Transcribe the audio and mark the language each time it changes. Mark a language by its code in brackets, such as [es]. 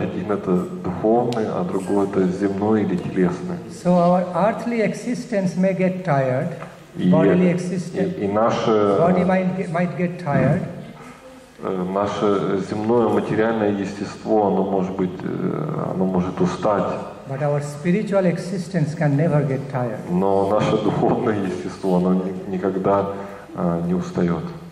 [ru] Один это духовный, а другой это земной или телесный. [en] So our earthly existence may get tired. Bodily existence. [ru] И наше. [en] Body might get tired. [ru] Наше земное материальное естество, оно может устать. [en] But our spiritual existence can never get tired. [ru] Но наше духовное естество, оно никогда не устает.